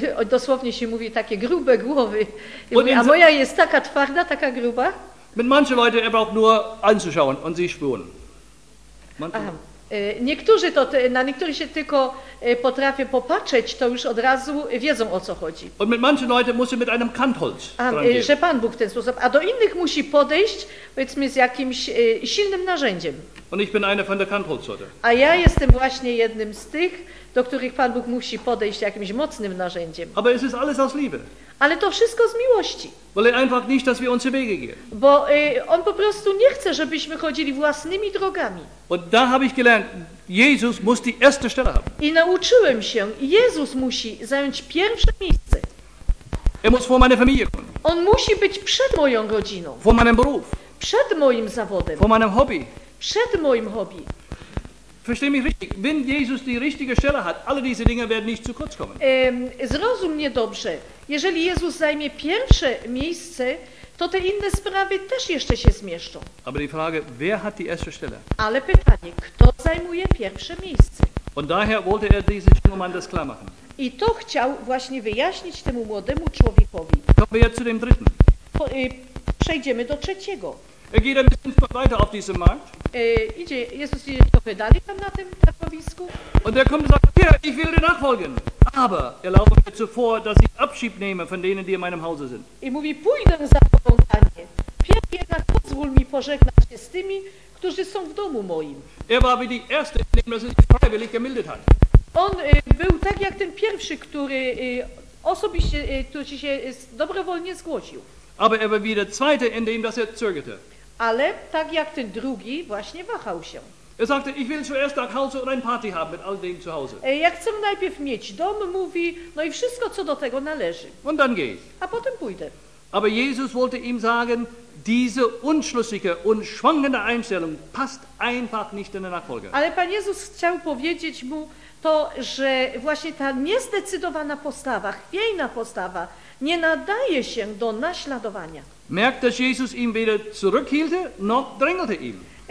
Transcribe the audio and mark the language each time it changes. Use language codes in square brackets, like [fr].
[pl] Dosłownie się mówi takie grube głowy. A moja jest taka twarda, taka gruba. [de] Mit manchen Leuten, er braucht nur anzuschauen und sie spüren. Manche. [pl] Niektórzy to, na niektórych się tylko potrafię popatrzeć, to już od razu wiedzą, o co chodzi. [de] Und mit manchen Leuten muss er mit einem Kantholz dran gehen. [pl] Że Pan Bóg w ten sposób. A do innych musi podejść, powiedzmy, z jakimś silnym narzędziem. [de] Und ich bin eine von der Kantholzsorte. [pl] A ja jestem właśnie jednym z tych, do których Pan Bóg musi podejść jakimś mocnym narzędziem. [de] Aber es ist alles aus Liebe. [pl] Ale to wszystko z miłości. [de] Weil er einfach nicht, dass wir unsere Wege gehen. [pl] Bo on po prostu nie chce, żebyśmy chodzili własnymi drogami. [de] Und da habe ich gelernt, Jesus muss die erste Stelle haben. [pl] I nauczyłem się, Jezus musi zająć pierwsze miejsce. [de] Er muss vor meine Familie kommen. [pl] On musi być przed moją rodziną. [de] Vor meinem Beruf. [pl] Przed moim zawodem. [de] Vor meinem Hobby. [pl] Przed moim hobby. [de] Versteh mich richtig. Wenn Jesus die richtige Stelle hat, alle diese Dinge werden nicht zu kurz kommen. [pl] Zrozum mnie dobrze. Jeżeli Jezus zajmie pierwsze miejsce, to te inne sprawy też jeszcze się zmieszczą. [de] Aber die Frage, wer hat die erste Stelle? [pl] Ale pytanie, kto zajmuje pierwsze miejsce? [de] Und daher wollte er diesen jungen Mann das klar machen. [pl] I to chciał właśnie wyjaśnić temu młodemu człowiekowi. [de] Kommen wir zu dem dritten. [pl] Przejdziemy do trzeciego. [de] Er geht ein bisschen weiter auf diesem Markt. [pl] Idzie Jezus idzie trochę dalej tam na tym targowisku. [de] Und er kommt und sagt, ja, ich will dir nachfolgen. Aber erlaube mir zuvor, dass ich Abschied nehme von denen, die in meinem Hause sind. [pl] I mówi, pójdę za tobą, Panie. Pierw jednak pozwól mi pożegnać się z tymi, którzy są w domu moim. [de] Er war wie die erste, indem er sich freiwillig gemeldet hat. [pl] On był tak jak ten pierwszy, który osobiście, który się dobrowolnie zgłosił. [de] Aber er war wie der zweite, indem er zögerte. [pl] Ale tak jak ten drugi właśnie wahał się. [de] Er sagte, ich will zuerst nach Hause und ein Party haben mit all dem zu Hause. [pl] Ja chcę najpierw mieć dom, mówi, no i wszystko, co do tego należy. [de] Und dann gehe ich. [pl] A potem pójdę. [de] Aber Jesus wollte ihm sagen, diese unschlüssige und schwankende Einstellung passt einfach nicht in der Nachfolge. [pl] Ale Pan Jezus chciał powiedzieć mu to, że właśnie ta niezdecydowana postawa, chwiejna postawa, nie nadaje się do naśladowania. [de] Merkt, dass Jesus ihn weder zurückhielt, noch drängelte ihn.